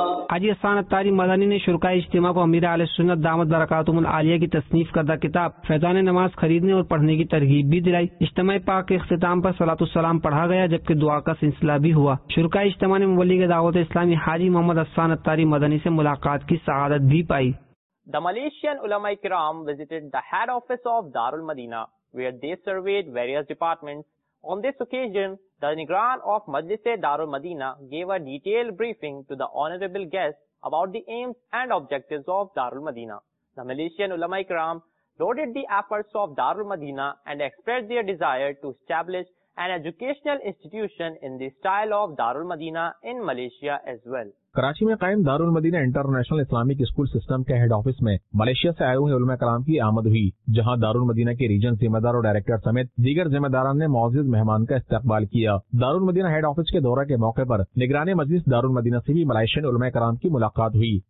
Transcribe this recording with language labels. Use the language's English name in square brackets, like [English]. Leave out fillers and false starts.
[Urdu] حاجی حسان عطاری مدنی نے شرکاء اجتماع کو امیر اہل سنت دامت برکاتہم العالیہ کی تصنیف کردہ کتاب فیضان نماز خریدنے اور پڑھنے کی ترغیب بھی دلائی. اجتماع پاک کے اختتام پر صلاۃ السلام پڑھا گیا، جبکہ دعا کا سلسلہ بھی ہوا. شرکاء اجتماع نے مبلغ دعوت اسلامی حاجی محمد حسان عطاری مدنی سے ملاقات کی سعادت بھی پائی. [English] The Malaysian Ulama Ikram visited the head office of Darul Madina, where they surveyed various departments. On this occasion, the Nigran of Majlis-e Darul Madina gave a detailed briefing to the honorable guests about the aims and objectives of Darul Madina. The Malaysian Ulama-e-Kiram lauded the efforts of Darul Madina and expressed their desire to establish an educational institution in the style of Darul Madina in Malaysia as well. [Urdu] Karachi میں قائم دارال مدینہ international Islamic school system کے head office میں Malaysia سے آئے ہوئے علماء کرام کی آمد ہوئی، جہاں دارال مدینہ کے ریجن ذمہ دار اور ڈائریکٹر سمیت دیگر ذمہ داران نے معزز مہمان کا استقبال کیا. دارال مدینہ ہیڈ آفس کے دورہ کے موقع پر نگران مجلس دارال مدینہ سے بھی ملیشین علماء کرام کی ملاقات ہوئی.